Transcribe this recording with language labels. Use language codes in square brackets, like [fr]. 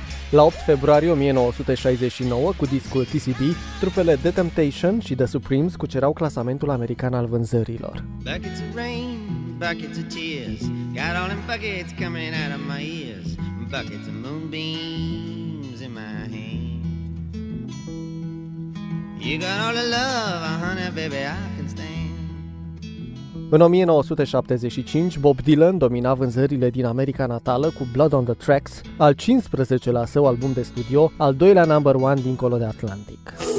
[ro] La 8 februarie 1969, cu discul TCB, trupele The Temptation și The Supremes cucerau clasamentul american al vânzărilor. [en] Buckets of rain, buckets of tears, got all them buckets coming out of my ears, buckets of moonbeams in my hand. You got all the love, honey, baby, I can stand. [ro] În 1975, Bob Dylan domina vânzările din America natală cu Blood on the Tracks, al 15-lea său album de studio, al doilea number one dincolo de Atlantic.